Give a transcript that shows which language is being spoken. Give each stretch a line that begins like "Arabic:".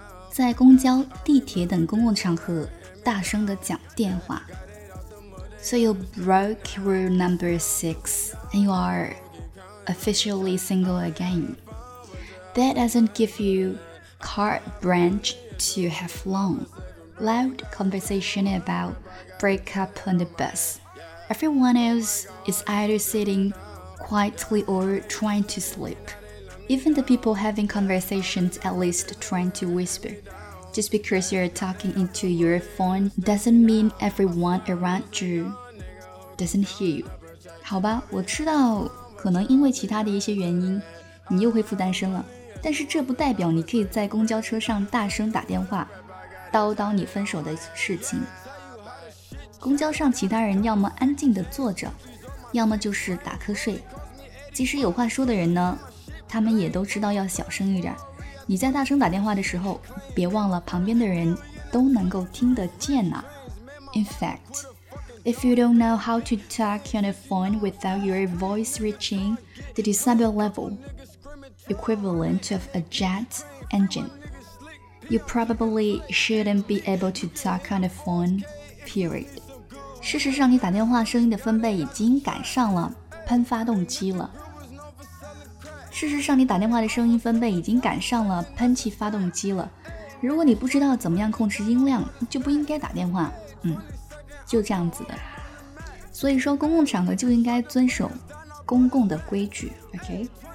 Chinese: 在公交、地铁等公共场合大声地讲电话。
English: So you broke rule number 6 and you are officially single again. That doesn't give you carte blanche to have long, loud conversation about breakup on the bus. Everyone else is either sitting quietly or trying to sleep. Even the people having conversations at least trying to whisper. Just because you're talking into your phone doesn't mean everyone around you doesn't hear you.
Chinese: 好吧，我知道可能因为其他的一些原因你又恢复单身了，但是这不代表你可以在公交车上大声打电话叨叨你分手的事情。公交上其他人要么安静地坐着，要么就是打瞌睡。即使有话说的人呢，他们也都知道要小声一点。你在大声打电话的时候，别忘了旁边的人都能够听得见啊。
English: In fact, if you don't know how to talk on a phone without your voice reaching the decibel level equivalent of a jet engine, you probably shouldn't be able to talk on a phone, period.
Chinese: 事实上，你打电话声音的分贝已经赶上了喷发动机了。事实上，你打电话的声音分贝已经赶上了喷气发动机了。如果你不知道怎么样控制音量，就不应该打电话。就这样子的。所以说，公共场合就应该遵守公共的规矩。OK。